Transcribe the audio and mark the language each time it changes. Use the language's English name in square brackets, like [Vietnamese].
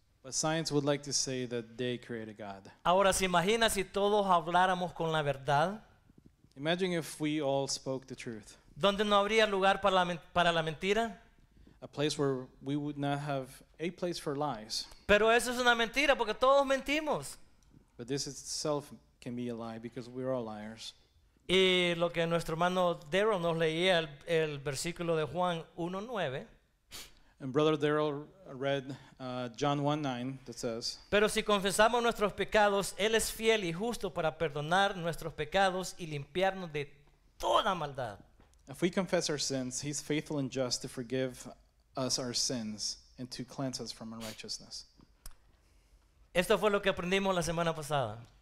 [English] But science would like to say that they created God. [Spanish] Ahora, ¿se imagina si todos habláramos con la verdad? [English] Imagine if we all spoke the truth. [Spanish] ¿Dónde no habría lugar para la mentira? [English] A place where we would not have a place for lies. [Spanish] Pero eso es una mentira porque todos mentimos. [English] But this itself can be a lie because we're all liars. [Spanish] Y lo que nuestro hermano Daryl nos leía el versículo de Juan 1:9. [English] And brother Daryl read John 1:9 that says, [Spanish] pero si confesamos nuestros pecados, él es fiel y justo para perdonar nuestros pecados y limpiarnos de toda maldad. [English] If we confess our sins, he's faithful and just to forgive us our sins and to cleanse us from unrighteousness. [Spanish] Esto fue lo que aprendimos la semana pasada.